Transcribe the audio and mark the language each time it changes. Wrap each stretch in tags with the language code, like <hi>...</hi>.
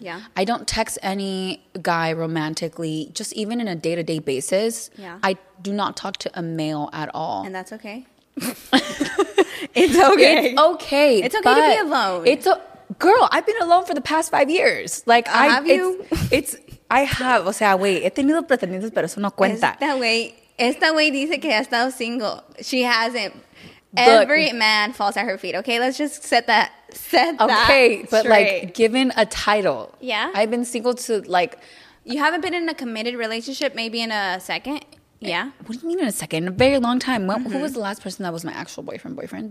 <en>Yeah. I don't text any guy romantically, just even in a day-to-day basis. Yeah. I do not talk to a male at all. And that's okay. It's okay. It's okay to be alone. Girl, I've been alone for the past 5 years. Like, I have,</en> <es>o sea,</es> <en>wait,</en> <es>he tenido pretendientes, pero eso no cuenta. Esta wey dice que ha estado single.</es> <en>She hasn't. Every man falls at her feet. Okay, let's just set that straight. Okay, but like, given a title. Yeah. I've been single to, like. You haven't been in a committed relationship, maybe in a second? Yeah. What do you mean in a second? In a very long time. Mm-hmm. Who was the last person that was my actual boyfriend?</en>